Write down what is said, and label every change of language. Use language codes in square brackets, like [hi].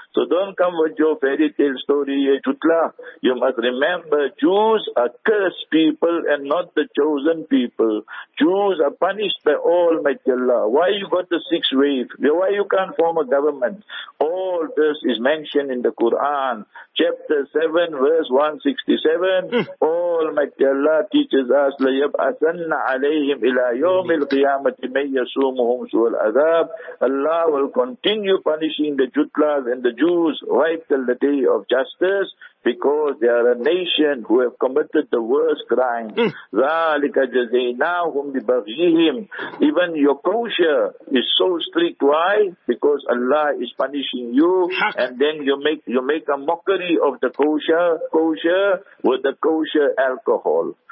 [en] So don't come with your fairy tale story, Chutla. You must remember, Jews are cursed people and not the chosen people. Jews are punished by Almighty Allah. Why you got the sixth wave? Why you can't form a government? All this is mentioned in the Quran. Chapter 7, verse 167. [ar] Almighty Allah teaches us, لَيَبْعَثَنَّ عَلَيْهِمْ إِلَىٰ يَوْمِ الْقِيَامَةِ مَنْ يَسُومُهُمْ سُوَ الْعَذَابِ. [en] Allah will continue punishing the Jutlas and the Jews right till the day of justice, because they are a nation who have committed the worst crime. [ar] ذَلِكَ جَزَيْنَاهُمْ بِبَغْيِهِمْ. [en] Even your kosher is so strict. Why? Because Allah is punishing you, and then you make a mockery of the kosher with the kosher alcohol.